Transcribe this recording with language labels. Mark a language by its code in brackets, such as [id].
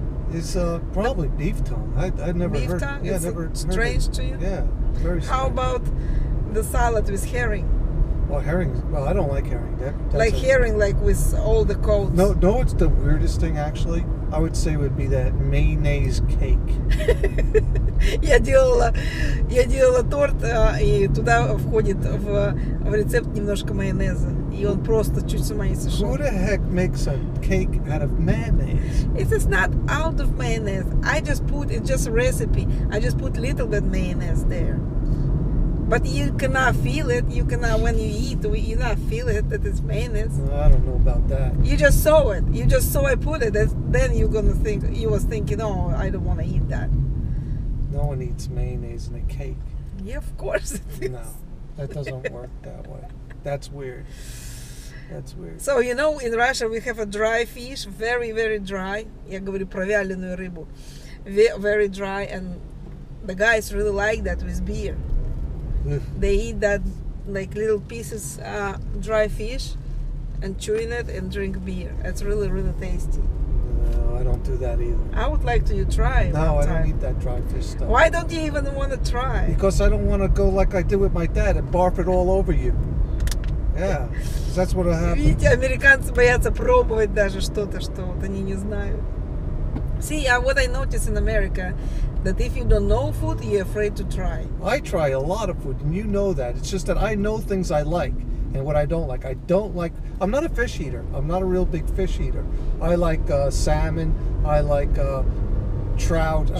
[en] It's probably beef tongue. I've never heard. Beef tongue? Yeah, strange heard it. To you? Yeah, very strange. How about the salad with herring? Well, herring, well, I don't like herring. Herring, like with all the coats? No, it's the weirdest thing, actually. I would say would be that mayonnaise cake. [ru] Я делала торт, и туда входит в рецепт немножко майонеза. И он просто чуть с ума не сошел. [en] Who the heck makes a cake out of mayonnaise? It is not out of mayonnaise. I just put a little bit mayonnaise there. But you cannot feel it. You cannot, when you eat, you not feel it that it's mayonnaise. Well, I don't know about that. You just saw it. You just saw I put it. Then you're going to think, you was thinking, oh, I don't want to eat that. No one eats mayonnaise in a cake. Yeah, of course it is. No, that doesn't work that way. That's weird. So, you know, in Russia we have a dry fish, very, very dry. [ru] Я говорю про вяленую рыбу. [en] Very dry, and the guys really like that with beer. They eat that, like, little pieces of dry fish and chewing it and drink beer. It's really, really tasty. No, I don't do that either. I would like to you try. No, I don't eat that dry fish stuff. Why don't you even want to try? Because I don't want to go like I did with my dad and barf it all over you. Yeah, because that's what happened. [ru] Видите, американцы боятся пробовать даже что-то, что вот они не знают. [en] See, what I notice in America, that if you don't know food, you're afraid to try. I try a lot of food, and you know that. It's just that I know things I like and what I don't like. I'm not a fish eater. I'm not a real big fish eater. I like salmon. I like trout.